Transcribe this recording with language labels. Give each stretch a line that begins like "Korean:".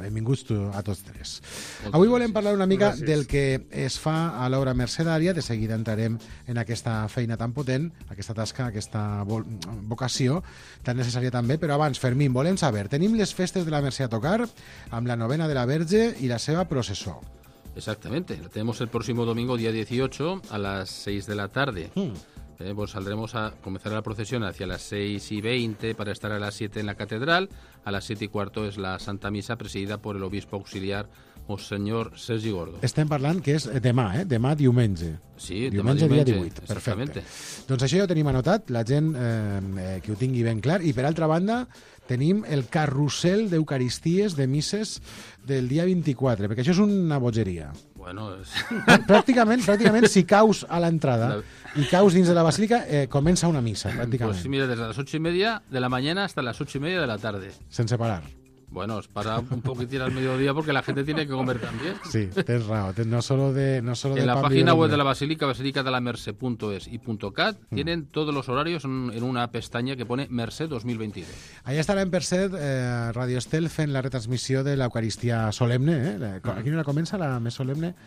Catalan: Benvinguts a tots tres. Avui volem parlar una mica del que es fa a l'obra mercedària. De seguida entrarem en aquesta feina tan potent, aquesta tasca, aquesta vocació tan necessària també. Però abans, Fermín, volem saber, tenim les festes de la Mercè a tocar amb la novena de la Verge i la seva processó.
Spanish: Exactamente. La tenemos el próximo domingo, día 18, a las 6 de la tarde. Pues saldremos a comenzar la procesión hacia las 6:20 para estar a las 7 en la catedral. A las 7:15 es la Santa Misa presidida por el obispo auxiliar Monseñor Sergi Gordo.
Catalan: Estem parlant que és demà, demà diumenge. Sí, diumenge, demà diumenge. Dia 18. Perfecte. Doncs això ja ho tenim anotat, la gent que ho tingui ben clar. I per altra banda, tenim el carrusel d'eucaristies, de misses, del dia 24, perquè això és una bogeria. Bueno, és... Pràcticament, si caus a l'entrada i caus dins de la basílica, comença una missa, pràcticament.
Spanish: Pues mira, des de les 8:30 de la mañana hasta las 8:30 de la tarde.
Catalan: Sense parar.
Spanish: Bueno, es para un poquitín al mediodía porque la gente tiene que comer también.
Catalan: Sí, tens raó. No solo de
Spanish: en la página web de la Basílica, basilicadelamerce.es y .cat, tienen todos los horarios en una pestaña que pone Mercè 2022.
Catalan: Allà estarà en Mercè, Radio Estel, fent la retransmissió de l'Eucaristia solemne. A quina hora comença la més solemne?